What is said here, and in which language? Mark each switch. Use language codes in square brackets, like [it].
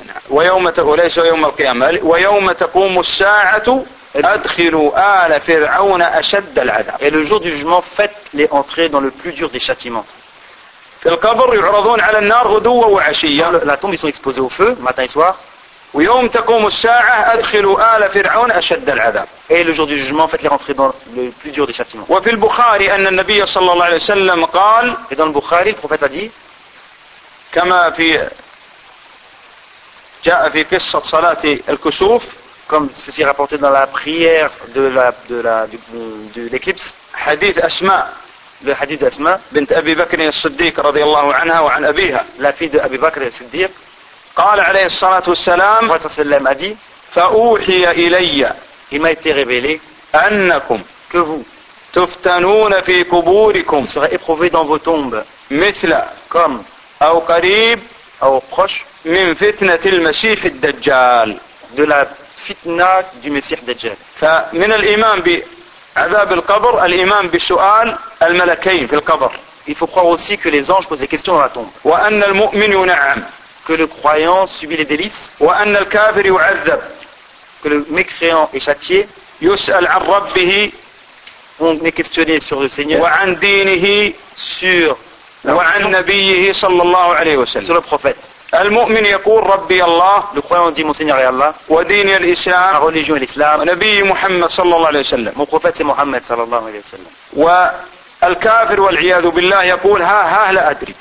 [ar] ويوم وليس يوم القيامة ويوم تقوم الساعة أدخلوا آل فرعون أشد العذاب [fr] et le jour du jugement faites les entrées dans le plus dur des châtiments. [ar] في القبر يعرضون على النار غدوة وعشية. [fr] La tombe ils sont exposés au feu matin et soir. [ar] ويوم تقوم الساعة أدخلوا آل فرعون أشد العذاب. [fr] Et le jour du jugement faites les rentrer dans le plus dur des châtiments. [ar] وفي البخاري أن النبي صلى الله عليه وسلم قال. [fr] Et dans le Bukhari le prophète a dit. [ar] كما في جاء في قصة صلاة الكسوف. [fr] Comme ceci est rapporté dans la prière de l'éclipse. [ar] حديث أسماء. [fr] Le hadith d'Asma, [ar] بنت أبي بكر الصديق رضي الله عنها وعن أبيها. [fr] La fille de Abu Bakr al-Siddiq. [ar] قال عليه الصلاة والسلام. [fr] Le prophète sallam a dit. [ar] فأوحي إلي. [fr] Il m'a été révélé. [ar] أنكم. [fr] Que vous. [ar] تفتنون في قبوركم. [fr] Vous serez éprouvés dans vos tombes. [ar] مثل. [fr] Comme. [ar] أو قريب. أو [fr] proche. [ar] من فتنة المسيح الدجال. [fr] De la fitna du Messie Dajjal. [ar] فمن الإيمان بعذاب القبر الإيمان بسؤال. الملكين في القبر. [fr] Il faut croire aussi que les anges posent des questions dans la tombe. [ar] وأن المؤمن ينعم. [fr] Que le croyant subit les délices. [ar] وأن الكافر يعذب. [fr] Que le mécréant est châtié. [ar] يسأل عن ربه. [fr] On est questionné sur le Seigneur. [ar] وعن دينه [fr] sur. [ar] وعن نبيه صلى الله عليه وسلم. [fr] Sur le prophète. [ar] المؤمن يقول ربي الله. [fr] Le croyant dit mon Seigneur est Allah. [ar] ودين الإسلام. [fr] La religion est l'Islam. [ar] ونبي محمد صلى الله عليه وسلم. [fr] Mon prophète c'est Mohammed [ar] صلى الله عليه وسلم. و الكافر والعياذ بالله يقول ها ها لا أدري.